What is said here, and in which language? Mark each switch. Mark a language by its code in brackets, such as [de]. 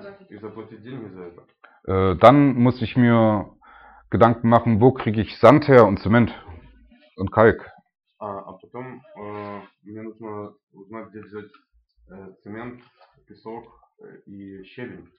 [ru] И заплатить деньги за это. [de] Dann muss ich mir Gedanken machen, wo kriege ich Sand her und Zement und Kalk. [ru] А потом мне нужно узнать, где взять Zement, Песок и Щебень.